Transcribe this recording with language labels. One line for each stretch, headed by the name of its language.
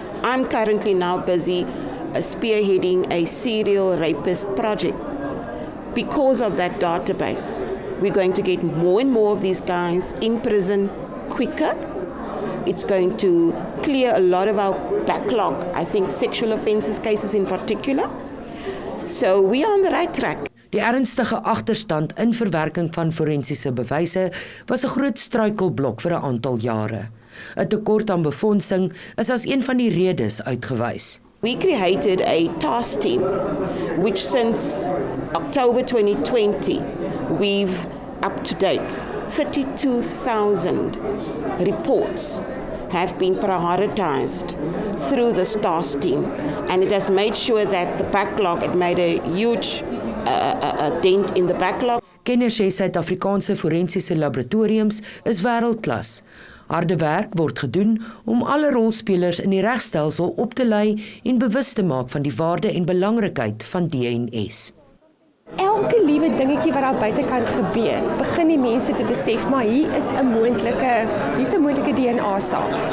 English: I'm currently now busy spearheading a serial rapist project. Because of that database, we're going to get more and more of these guys in prison quicker. It's going to clear a lot of our backlog, I think sexual offences cases in particular. So we are on the right track.
Afrikaans: Die ernstige agterstand in verwerking van forensiese bewyse was 'n groot struikelblok vir 'n aantal jare. 'n Tekort aan befondsing is as een van die redes uitgewys.
English: We created a task team which since October 2020 we've up to date 32,000 reports have been prioritized through this task team, and it has made sure that the backlog, it made a huge dent in the backlog.
Afrikaans: Kenner sê Suid-Afrikaanse forensiese laboratoriums is wêreldklas. Harde werk word gedoen om alle rolspelers in die regstelsel op te lei en bewus te maak van die waarde en belangrikheid van DNS. Elke liewe dingetjie wat daar buite kan gebeur, begin die mense te besef, maar hier is 'n moontlike DNA saak.